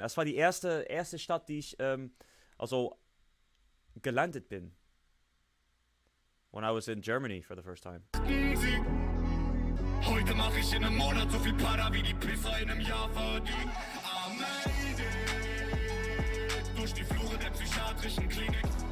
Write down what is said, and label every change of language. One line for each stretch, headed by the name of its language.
German: Das war die erste Stadt, die ich also gelandet bin.
English: When I was in Germany for the first time.
German: Heute mache ich in einem Monat so viel Para wie die Pisser in einem Jahr verdient. Durch die Flure der psychiatrischen Klinik.